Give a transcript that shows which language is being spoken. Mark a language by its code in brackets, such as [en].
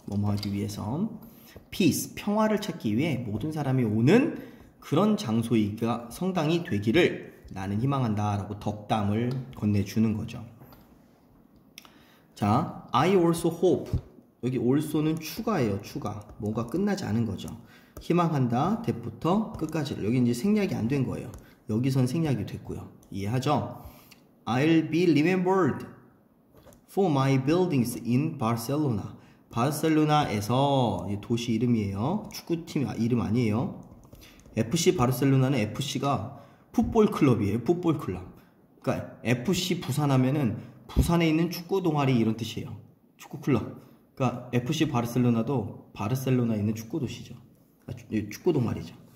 [ko] 뭐뭐 하기 위해서. Peace, 평화를 찾기 위해 모든 사람이 오는 그런 장소이가 성당이 되기를 나는 희망한다 라고 덕담을 건네주는 거죠. [en] 자, I also hope. [ko] 여기 also는 추가예요. 추가. 뭔가 끝나지 않은 거죠. 희망한다. that부터 끝까지를. 여기 이제 생략이 안 된 거예요. 여기선 생략이 됐고요. 이해하죠? [en] I'll be remembered for my buildings in Barcelona. [ko] 바르셀로나에서 도시 이름이에요. 축구팀 이름 아니에요. FC 바르셀로나는 FC가 풋볼클럽이에요. 풋볼클럽. 그러니까 FC 부산하면은 부산에 있는 축구 동아리 이런 뜻이에요. 축구클럽. 그러니까 FC 바르셀로나도 바르셀로나에 있는 축구 도시죠. 축구 동아리죠.